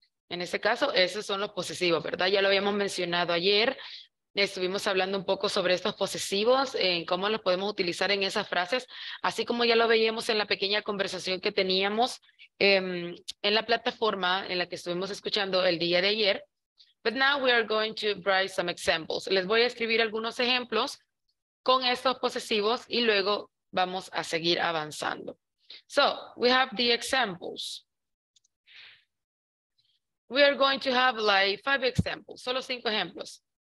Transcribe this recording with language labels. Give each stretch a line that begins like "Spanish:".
Spanish: En este caso, esos son los posesivos, ¿verdad? Ya lo habíamos mencionado ayer. Estuvimos hablando un poco sobre estos posesivos, en cómo los podemos utilizar en esas frases, así como ya lo veíamos en la pequeña conversación que teníamos en la plataforma en la que estuvimos escuchando el día de ayer.
English: But now we are going to write some examples.
Spanish: Les voy a escribir algunos ejemplos con estos posesivos y luego vamos a seguir avanzando.
English: So, we have the examples. We are going to have like 5 examples,
Spanish: solo 5 ejemplos.